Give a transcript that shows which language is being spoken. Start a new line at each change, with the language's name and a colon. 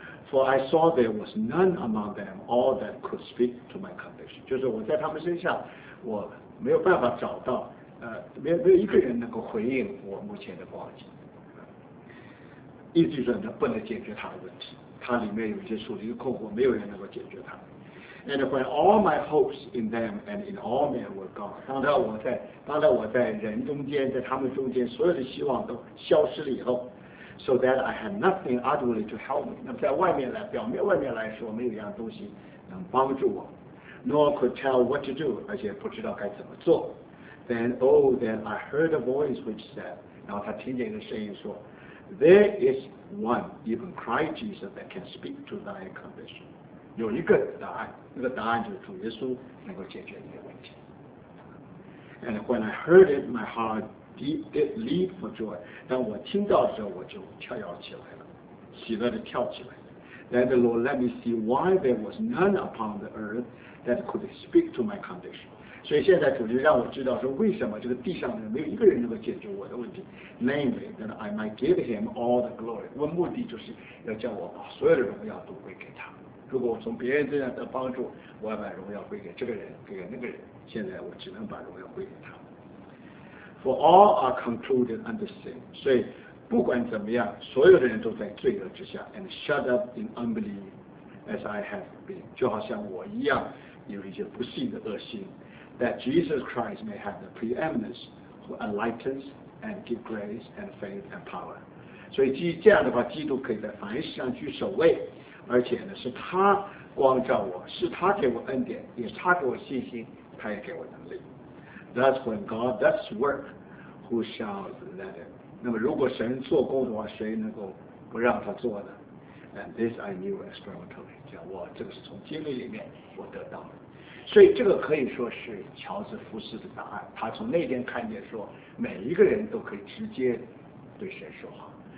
English: For I saw there was none among them all that could speak to my condition.
Chinese: 就是我在他们身上，我没有办法找到，没有一个人能够回应我目前的光景。意思就是他不能解决他的问题，他里面有一些属灵的困惑，没有人能够解决他。
English: And when all my hopes in them and in all men were gone,
Chinese: 当我在人中间，在他们中间，所有的希望都消失了以后。
English: So that I had nothing outwardly to help me.
Chinese: 那么在外面来，表面外面来说，没有一样东西能帮助我。
English: Nor could tell what to do,
Chinese: 而且不知道该怎么做。
English: Then, oh, then I heard a voice which said,
Chinese: 然后他听见一个声音说
English: ,There is one, even Christ Jesus, that can speak to thy condition.
Chinese: 有一个答案，那个答案就是主耶稣能够解决你的问题。
English: And when I heard it, my heart,Deep leap for joy.
Chinese: 当我听到的时候，我就跳跃起来了，喜乐地跳起来。
English: Then the Lord let me see why there was none upon the earth that could speak to my condition.
Chinese: 所以现在主就让我知道说，为什么这个地上的人没有一个人能够解决我的问题。
English: Namely, that I might give him all the glory.
Chinese: 我目的就是要叫我把所有的荣耀都归给他。如果我从别人身上得帮助，我要把荣耀归给这个人，归给那个人。现在我只能把荣耀归给他。
English: For all are concluded under sin.
Chinese: 所以不管怎么样，所有的人都在罪恶之下
English: and shut up in unbelief as I have been.
Chinese: 就好像我一样有一些不幸的恶心
English: that Jesus Christ may have the preeminence who enlightens and give grace and faith and power.
Chinese: 所以基于这样的话，基督可以在凡事上居首位，而且呢，是他光照我，是他给我恩典，也是他给我信心，他也给我能力。
English: That's when God does work, who shall let it?
Chinese: 那么如果神做工的话，谁能够不让他做呢？
English: And this I knew experimentally.
Chinese: 讲我这个是从经历里面我得到的。所以这个可以说是乔治福斯的答案。他从那边看见说，每一个人都可以直接对神说话。